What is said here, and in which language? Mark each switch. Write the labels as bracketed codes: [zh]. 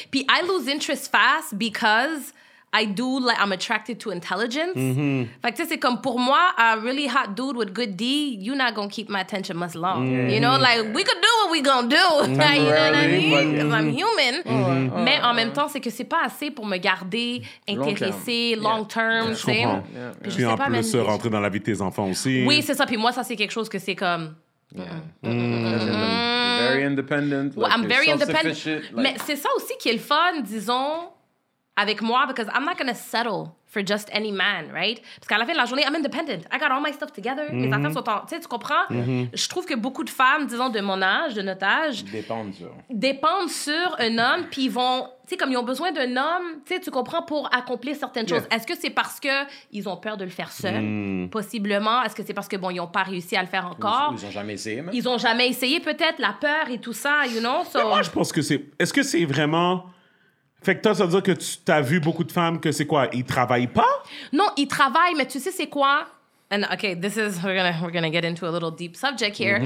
[en] Puis I lose interest fast because I do like I'm attracted to intelligence. Mm-hmm. [fr] Fait que c'est comme pour moi, [en] a really hot dude with good D, you're not gonna keep my attention much long. Mm-hmm. You know, like we could do what we gonna do. Like, you know what I mean? Because I'm human. Mm-hmm. Mm-hmm. [fr] Mais en même temps, c'est que c'est pas assez pour me garder intéressé long term. [en] Yeah. Long term, [fr] yeah. Je comprends. Puis en plus, rentrer dans la vie de tes enfants aussi. Oui, c'est ça. Puis moi, ça, c'est quelque chose que c'est comme. [en] Very independent. Well, like, I'm very independent. [fr] Mais c'est ça aussi qui est le fun, disons, avec moi, [en] because I'm not going to settle for just any man, right? [fr] Parce qu'à la fin de la journée, [en] I'm independent. I got all my stuff together. Mm-hmm. [fr] Mes affaires sont en... Tu sais, tu comprends? Mm-hmm. Je trouve que beaucoup de femmes, disons, de mon âge, de notre âge... Dépendent sur un homme, puis ils vont... Tu sais, comme ils ont besoin d'un homme, tu sais, tu comprends, pour accomplir certaines choses. Est-ce que c'est parce qu'ils ont peur de le faire seul? Possiblement. Est-ce que c'est parce que, bon, ils n'ont pas réussi à le faire encore? Ils n'ont jamais essayé, même. Ils n'ont jamais essayé, peut-être, la peur et tout ça, [en] you know? So... [fr] Mais moi, je pense que c'est... Est-ce que c'est vraiment... Fait que toi, ça veut dire que tu as vu beaucoup de femmes que c'est quoi? Ils travaillent pas? Non, ils travaillent, mais tu sais c'est quoi? [en] And okay, this is, we're gonna get into a little deep subject here.